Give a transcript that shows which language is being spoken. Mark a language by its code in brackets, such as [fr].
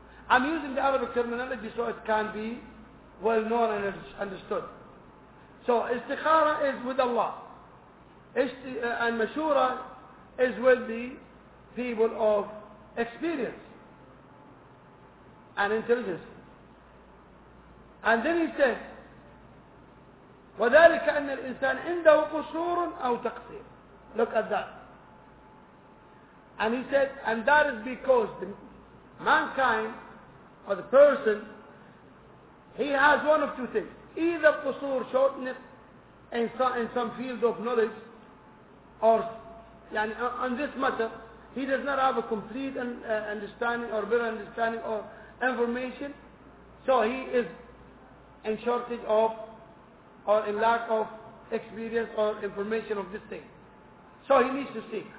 [en] I'm using the Arabic terminology so it can be well-known and understood. So istikhara is with Allah. And mashura is with the people of experience and intelligence. [ar] And then he said, وَذَلِكَ أَنَّ الْإِنسَانِ عِنْدَهُ قُصُورٌ أَوْ تَقْصِيرٌ. [en] Look at that. And he said, and that is because the mankind, or the person, he has one of two things. Either قصور, shortness, in some field of knowledge, or yani on this matter, he does not have a complete understanding, or better understanding, or information, so he is in shortage of or in lack of experience or information of this thing. So he needs to seek.